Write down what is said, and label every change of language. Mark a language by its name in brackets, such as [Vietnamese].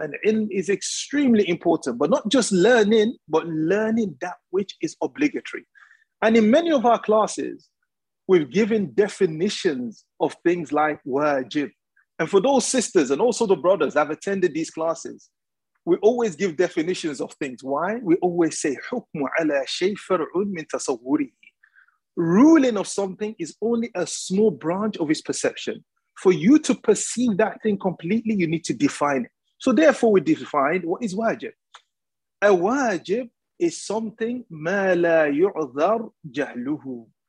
[English] And ilm is extremely important, but not just learning, but learning that which is obligatory. And in many of our classes, we've given definitions of things like wajib. And for those sisters and also the brothers that have attended these classes, we always give definitions of things. Why? We always say, [Arabic] حُكْمُ عَلَى شَيْ فَرْعٌ مِنْ تَصَوُّرِهِ. [English] Ruling of something is only a small branch of his perception. For you to perceive that thing completely, you need to define it. So therefore, we define what is wajib. A wajib is something [Arabic] ma la yu'dhar jahluhu.